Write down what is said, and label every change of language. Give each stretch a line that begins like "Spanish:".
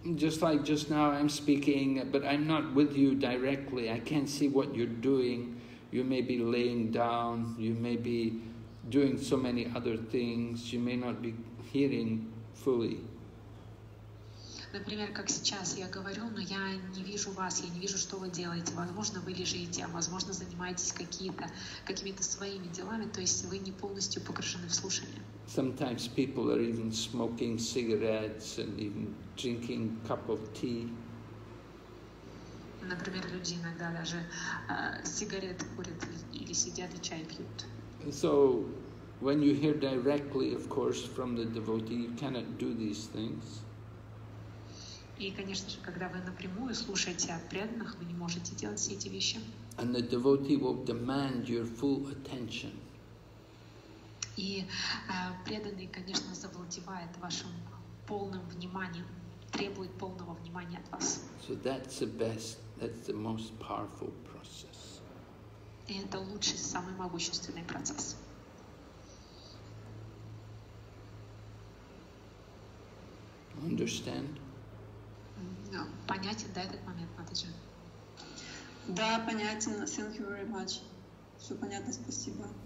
English: Just like just now I'm speaking, but I'm not with you directly. I can't see what you're doing. You may be laying down, you may be doing so many other things, you may not be hearing fully.
Russian: Например, как сейчас я говорю, но я не вижу вас, я не вижу, что вы делаете. Возможно, вы лежите, а возможно, занимаетесь какими-то своими делами, то есть вы не полностью погружены в слушание.
English: Sometimes people are even smoking cigarettes and even drinking a cup of tea.
Russian: Например, люди иногда даже сигареты курят или сидят и чай пьют.
English: So, when you hear directly, of course, from the devotee, you cannot do these things.
Russian: И, конечно же, когда вы напрямую слушаете от преданных, вы не можете делать все эти вещи.
English: And the devotee will demand your full attention.
Russian: И преданный, конечно, завладевает вашим полным вниманием, требует полного внимания от вас.
English: So that's the best, that's the most powerful process.
Russian: И это лучший, самый могущественный процесс.
English: Understand?
Russian: Понятен, да, этот момент, Матаджи? Да, понятен.
English: Thank you very much.
Russian: Все понятно, спасибо.